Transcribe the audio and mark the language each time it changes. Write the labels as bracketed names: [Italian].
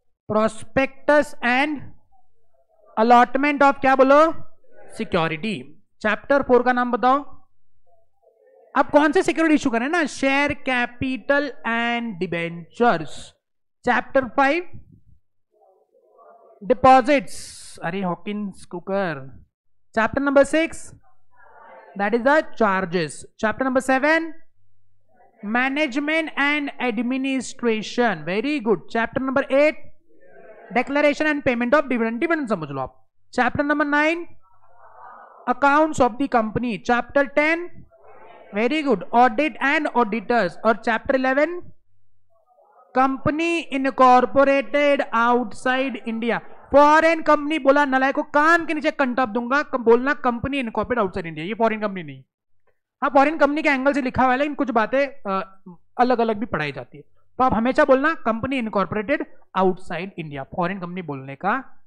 [English] prospectus and allotment of, [Hindi] क्या बोलो? [English] Security. [Hindi] Chapter 4 का नाम बताओ, अब कौन से सिक्योरिटी इशू करें ना, [English] Share capital and debentures. Chapter 5 deposits, अरे Hawkins cooker. Chapter number 6 That is the charges. Chapter number 7, management and administration. Very good. Chapter number 8, declaration and payment of dividend. Dividend [Hindi] samajh lo aap. [English] Chapter number 9, accounts of the company. Chapter 10, very good, audit and auditors. Or chapter 11, company incorporated outside India. [Hindi] Foreign company बोला नलायक को कान के नीचे कंटा दूंगा, बोलना company incorporate outside India, ये foreign company नहीं। हाँ foreign company के एंगल से लिखा हुआ है लेकिन कुछ बातें अलग अलग भी पढ़ाई जाती है, तो आप हमेशा बोलना company incorporated outside India, foreign company बोलने का।